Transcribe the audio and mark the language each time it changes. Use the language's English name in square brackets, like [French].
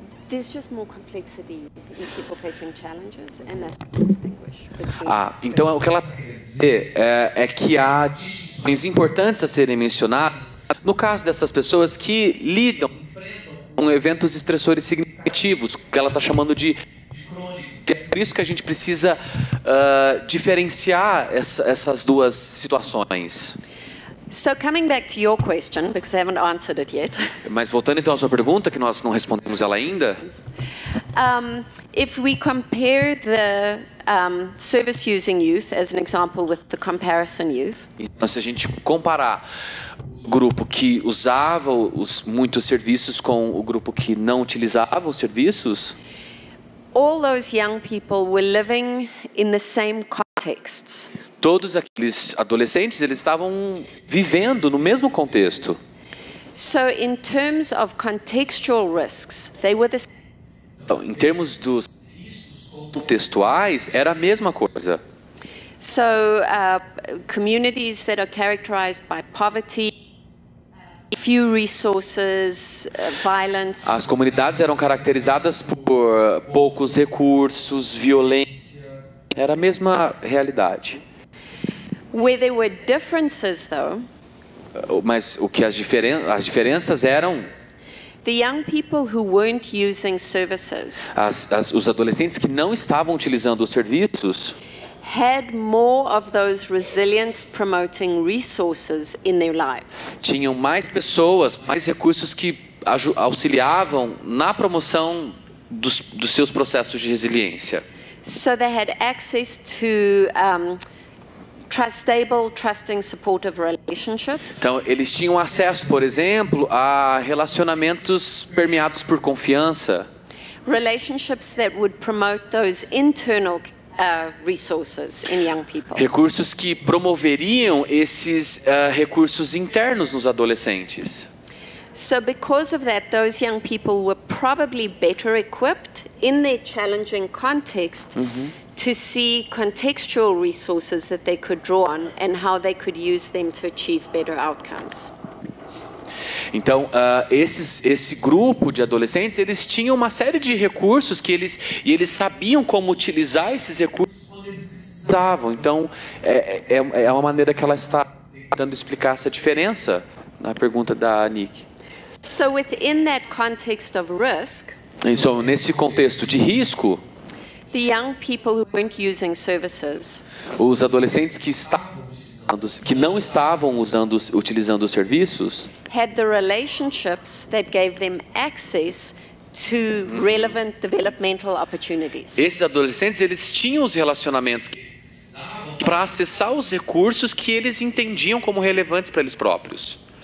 [English] There's just more complexity in people facing challenges, and that's what distinguish between. [Portuguese] Ah, então o que ela quer dizer é que há questões importantes a serem mencionadas no caso dessas pessoas que lidam com eventos estressores significativos, que ela está chamando de crônicos. É por isso que a gente precisa diferenciar essas duas situações. [English] So coming back to your question, because I haven't answered it yet. [Portuguese] Mas voltando então à sua pergunta, que nós não respondemos ela ainda. [English] If we compare the service using youth as an example with the comparison youth. [Portuguese] Então, se a gente comparar o grupo que usava muitos serviços com o grupo que não utilizava os serviços. [English] All those young people were living in the same contexts. [Portuguese] Todos aqueles adolescentes, eles estavam vivendo no mesmo contexto. [English] So, in terms of contextual risks, they were the same. [Portuguese] Então, em termos dos contextuais, era a mesma coisa. [English] So, communities that are characterized by poverty, few resources, violence. [Portuguese] As comunidades eram caracterizadas por poucos recursos, violência. Era a mesma realidade. [English] Where there were differences, though. [Portuguese] Mas o que as diferenças eram? [English] The young people who weren't using services. [Portuguese] Os adolescentes que não estavam utilizando os serviços. [English] Had more of those resilience-promoting resources in their lives. [Portuguese] Tinham mais pessoas, mais recursos que auxiliavam na promoção dos seus processos de resiliência. [English] So they had access to stable, trusting, supportive relationships. [Portuguese] Então eles tinham acesso, por exemplo, a relacionamentos permeados por confiança. [English] Relationships that would promote those internal resources in young people. [Portuguese] Recursos que promoveriam esses recursos internos nos adolescentes. [English] So because of that, those young people were probably better equipped in their challenging context to see contextual resources that they could draw on and how they could use them to achieve better outcomes. [Portuguese] Então, esse grupo de adolescentes, eles tinham uma série de recursos que eles sabiam como utilizar esses recursos quando eles estavam. Então, é uma maneira que ela está tentando explicar essa diferença na pergunta da Nick. [English] So within that context of risk, [Portuguese] então, nesse contexto de risco, [English] the young people who weren't using services, [Portuguese] os adolescentes que não estavam utilizando os serviços, [English] had the relationships that gave them access to relevant developmental opportunities. [Portuguese] Esses adolescentes, eles tinham os relacionamentos para acessar os recursos que eles entendiam como relevantes para eles próprios.